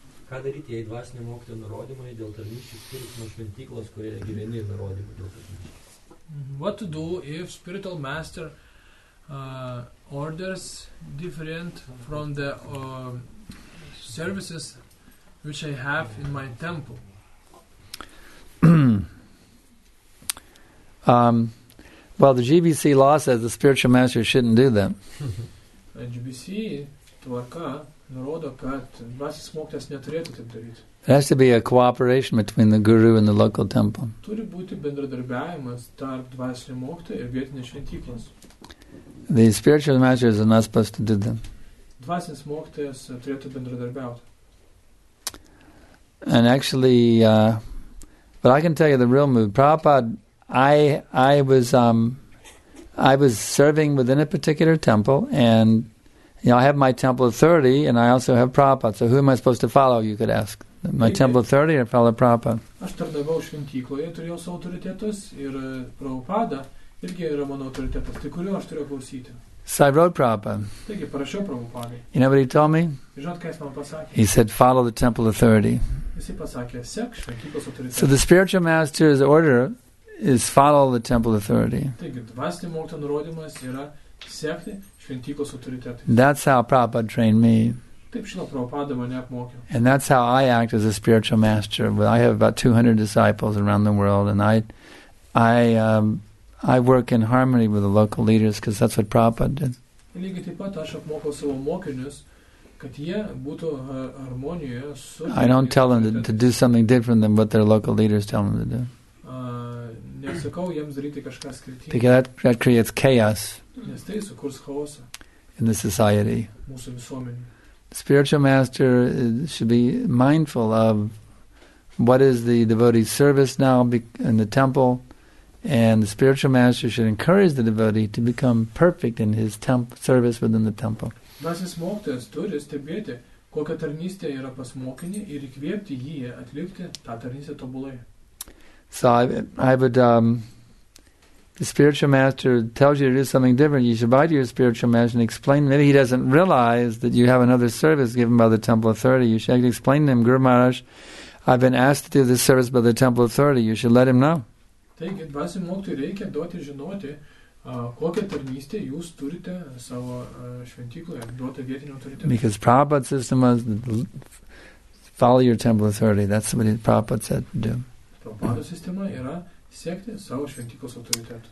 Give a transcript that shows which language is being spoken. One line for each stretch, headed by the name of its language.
Lithuanian: Ką daryti, jei dvasinė mokyta nurodymai dėl tarnyščių skirius nuo šventyklos, kurie gyveni nurodymai dėl tarnyščių?
English: What to do if spiritual master orders different from the services which I have in my temple? Um, Well, the GBC law says the spiritual master shouldn't do that.
Lithuanian: GBC tvarka nurodo, kad dvasis mokytojas neturėtų taip daryti.
English: There has to be a cooperation between the guru and the local temple.
Lithuanian: Turi būti bendradarbiavimas tarp dvasinio mokytojo ir vietinės šventyklos.
English: The spiritual masters are not supposed to do them.
Lithuanian: Dvasinis mokytojas turėtų bendradarbiauti.
English: And actually, but I can tell you the real move. Prabhupada, I was serving within a particular temple, and you know, I have my temple authority, and I also have Prabhupada. So who am I supposed to follow, you could ask? My temple authority or follow Prabhupada?
Lithuanian: Aš tarnavau šventykloje, turėjau savo autoritetus, ir Prabhupada irgi yra mano autoritetas. Tai kurio aš turėjau klausyti?
English: So I wrote Prabhupada.
Lithuanian: Taigi, parašiau Prabhupadai.
English: You know what he told me?
Lithuanian: Žinot, ką jis man pasakė?
English: He said, follow the temple authority.
Lithuanian: Jisai pasakė, sek šventyklos autoritetą.
English: So the spiritual master's order is follow the temple authority.
Lithuanian: Taigi, dvasinio mokytojo nurodymas yra sekti šventyklos autoritetą.
English: That's how Prabhupada trained me.
Lithuanian: Taip žino, Prabhupada mane apmokė.
English: And that's how I act as a spiritual master. Well, I have about 200 disciples around the world, and I work in harmony with the local leaders because that's what Prabhupada did.
Lithuanian: Lygiai taip pat aš apmokau savo mokinius, kad jie būtų harmonijoje su...
English: I don't tell them to do something different than what their local leaders tell them to do.
Lithuanian: Nesakau jiems daryti kažką skirtingo.
English: Because that creates chaos.
Lithuanian: Nes tai sukurs chaosą.
English: In the society.
Lithuanian: Mūsų visuomenė.
English: Spiritual master should be mindful of what is the devotee's service now in the temple, and the spiritual master should encourage the devotee to become perfect in his service within the temple.
Lithuanian: Dvasinis mokytojas turi stebėti, kokia tarnystė yra pas mokinį, ir įkvėpti jį atlikti tą tarnystę tobulai.
English: So I would the spiritual master tells you to do something different, you should buy to your spiritual master and explain. Maybe he doesn't realize that you have another service given by the temple authority. You should explain to him, Guru Maharaj, I've been asked to do this service by the temple authority. You should let him know.
Lithuanian: Taigi, dvasiniam mokytojui reikia duoti žinoti, kokią tarnystę jūs turite savo šventykloje, duoti vietinio autoritetą.
English: Because Prabhupada system was follow your temple authority. That's what Prabhupada said to do.
Lithuanian: Prabhupada sistema yra sekti savo šventyklos autoritetą.